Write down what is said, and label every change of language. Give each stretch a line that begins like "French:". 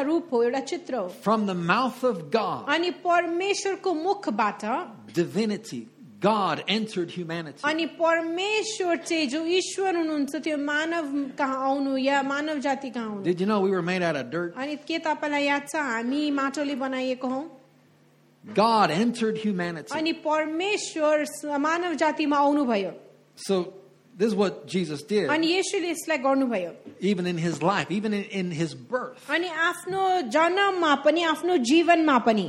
English: From the mouth of God, divinity, God entered humanity.
Nepali: अनि परमेश्वर चाहिँ जो ईश्वर हुनुहुन्छ त्यो मानव कहाँ आउनु या मानव जाति कहाँ आउनु.
English: Did you know we were made out of dirt?
Nepali: अनि के तपाईलाई याद छ हामी माटोले बनाइएको हौ.
English: God entered humanity.
Nepali: अनि परमेश्वर मानव जातिमा आउनु भयो.
English: So this is what Jesus did.
Nepali: अनि येशूले यसलाई गर्नुभयो.
English: Even in his life, even in his birth.
Nepali: अनि आफ्नो जन्ममा पनि आफ्नो जीवनमा पनि.